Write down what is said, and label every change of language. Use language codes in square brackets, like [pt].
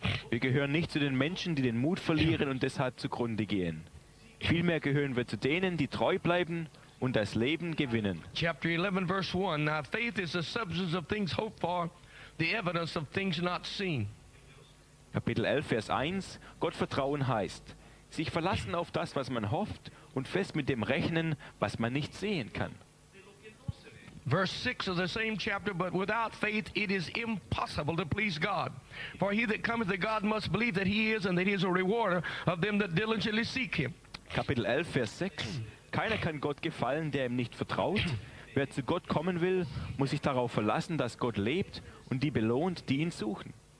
[de] Wir gehören nicht zu den Menschen, die den Mut verlieren und deshalb zugrunde gehen. Vielmehr gehören wir zu denen, die treu bleiben und das Leben gewinnen. [en] Chapter 11, verse 1. Now faith is the substance of things hoped for, the evidence of things not seen. [de] Kapitel 11, Vers 1. Gottvertrauen heißt, sich verlassen auf das, was man hofft, und fest mit dem rechnen, was man nicht sehen kann. [en] Verse 6 of the same chapter, but without faith it is impossible to please God. For he that cometh to God must believe that he is, and that he is a rewarder of them that diligently seek him. [de] Kapitel 11, Vers 6. Keiner kann Gott gefallen, der ihm nicht vertraut. Wer zu Gott kommen will, muss sich darauf verlassen, dass Gott lebt und die belohnt, die ihn suchen.